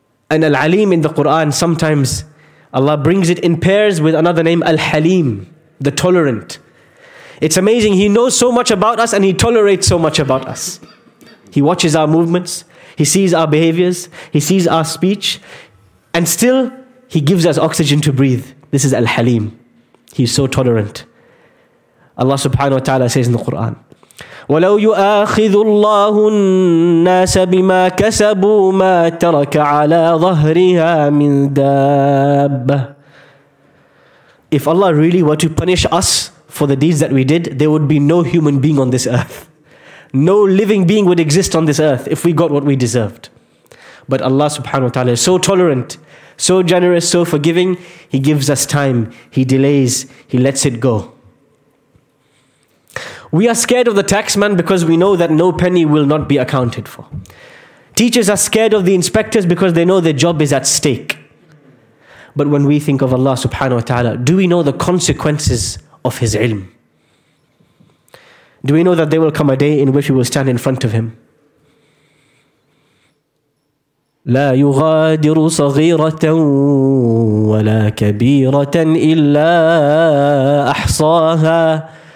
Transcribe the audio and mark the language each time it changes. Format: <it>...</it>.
<en>And Al-Aleem in the Quran, sometimes Allah brings it in pairs with another name, Al-Haleem, the tolerant. It's amazing, he knows so much about us and he tolerates so much about us. He watches our movements, he sees our behaviors, he sees our speech, and still he gives us oxygen to breathe. This is Al-Haleem. He's so tolerant. Allah subhanahu wa ta'ala says in the Quran,</en> <ar>وَلَوْ يُؤَاخِذُ اللَّهُ النَّاسَ بِمَا كَسَبُوا مَا تَرَكَ عَلَىٰ ظَهْرِهَا مِنْ دَابَّ.</ar> <en>If Allah really were to punish us for the deeds that we did, there would be no human being on this earth. No living being would exist on this earth if we got what we deserved. But Allah subhanahu wa ta'ala is so tolerant, so generous, so forgiving, He gives us time, He delays, He lets it go. We are scared of the taxman because we know that no penny will not be accounted for. Teachers are scared of the inspectors because they know their job is at stake. But when we think of Allah subhanahu wa ta'ala, do we know the consequences of His ilm? Do we know that there will come a day in which we will stand in front of Him?</en> <ar>لا يغادر صغيرة ولا كبيرة إلا أحصاها.</ar>